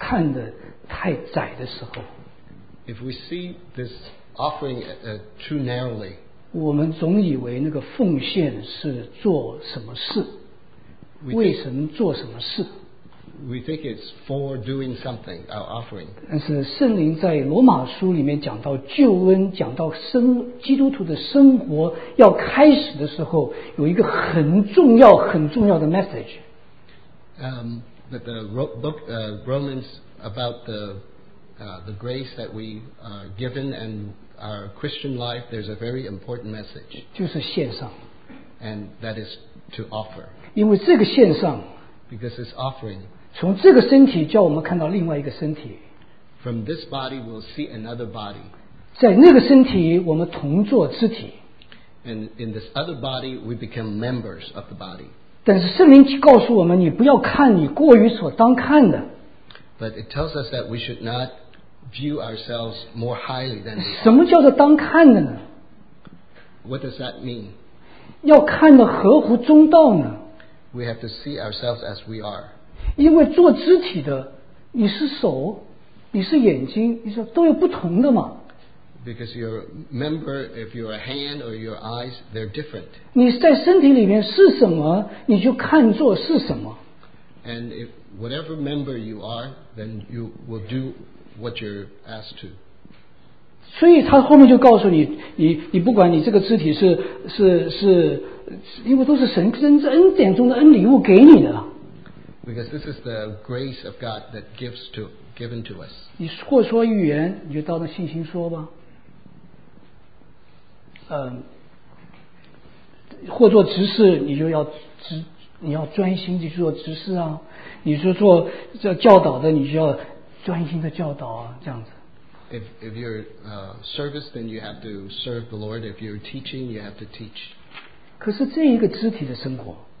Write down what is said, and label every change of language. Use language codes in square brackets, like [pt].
[zh] 我们把奉献如果看得太窄的时候, [en] if we see this offering too narrowly, [zh] 我们总以为那个奉献是做什么事, 为神做什么事。 [en] We think it's for doing something, our offering. [zh] 但是圣灵在罗马书里面讲到救恩，讲到基督徒的生活要开始的时候, 有一个很重要的message. [en] But the book, Romans about the grace that we are given and our Christian life, there's a very important message. [zh] 就是献上, [en] and that is to offer. [zh] 因为这个献上, [en] because it's offering, [zh] 从这个身体叫我们看到另外一个身体。 [en] From this body we'll see another body. [zh] 在那个身体我们同作肢体。 [en] And in this other body we become members of the body. [zh] 但是圣灵告诉我们你不要看你过于所当看的。 [en] But it tells us that we should not view ourselves more highly than we [zh] are. 什么叫做当看的呢？ [en] What does that mean? [zh] 要看得合乎中道呢？ [en] We have to see ourselves as we are. [zh] 因为做肢体的，你是手，你是眼睛，你说都有不同的嘛。 [en] Because you're a member, if you're a hand or your eyes, they're different. [zh] 你在身体里面是什么，你就看作是什么。 [en] And if whatever member you are, then you will do what you're asked to. [zh] 所以他后面就告诉你，你不管你这个肢体是，因为都是神恩典中的恩礼物给你的。 [en] Because this is the grace of God that gives to given to us. [zh] 你或说预言，你就当着信心说吧。或做执事，你就要执。你要专心去做执事啊，你是做教导的，你就要专心的教导啊，这样子。 [en] If you're service, then you have to serve the Lord. If you're teaching, you have to teach. [zh] 可是这一个肢体的生活。